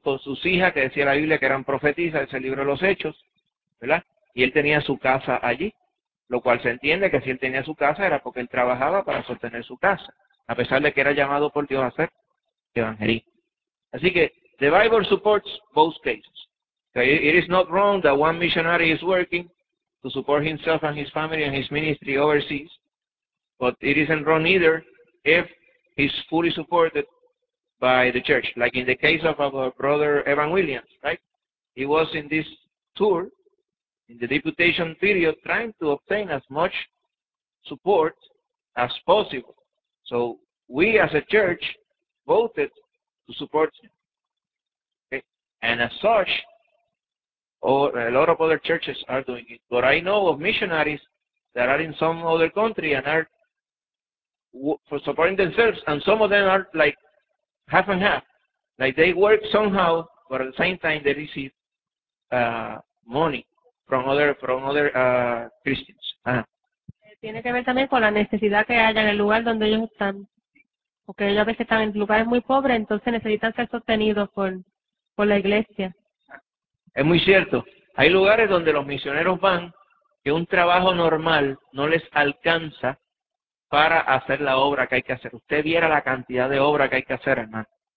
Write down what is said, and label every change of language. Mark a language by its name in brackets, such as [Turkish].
[Spanish] Con sus hijas, que decía la Biblia que eran profetisas, ese libro de los Hechos, ¿verdad? Y él tenía su casa allí, lo cual se entiende que si él tenía su casa era porque él trabajaba para sostener su casa, a pesar de que era llamado por Dios a ser evangelista. Así que, [English] the Bible supports both cases. It is not wrong that one missionary is working to support himself and his family and his ministry overseas, but it isn't wrong either if he's fully supported by the church, like in the case of our brother Evan Williams, right? He was in this tour, in the deputation period, trying to obtain as much support as possible. So we as a church voted to support him. Okay? And as such, a lot of other churches are doing it. But I know of missionaries that are in some other country and are for supporting themselves, and some of them are like half and half. Like they work somehow, but at the same time they receive money from other Christians. [Spanish] Tiene que ver también con la necesidad que haya en el lugar donde ellos están. Porque ellos a veces están en lugares muy pobres, entonces necesitan ser sostenidos por la iglesia. Es muy cierto. Hay lugares donde los misioneros van que un trabajo normal no les alcanza para hacer la obra que hay que hacer. Usted viera la cantidad de obra que hay que hacer, hermano.